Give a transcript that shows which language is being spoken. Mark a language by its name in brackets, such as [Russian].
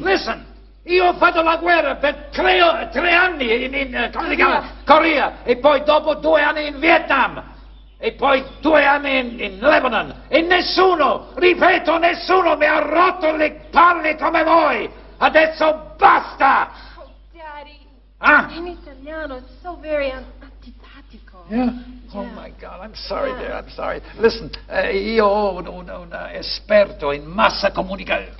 [English] Listen, [Italian] io ho fatto la guerra per tre anni in Corea, e poi dopo 2 anni in Vietnam, e poi 2 anni in Lebanon, e nessuno, ripeto, nessuno mi ha rotto le palle come voi. Adesso basta! [English] Oh, Daddy, [Italian] in italiano, [English] it's so very antipatico. Oh, my God, I'm sorry. Listen, [Italian] io ho un esperto in massa comunicazione.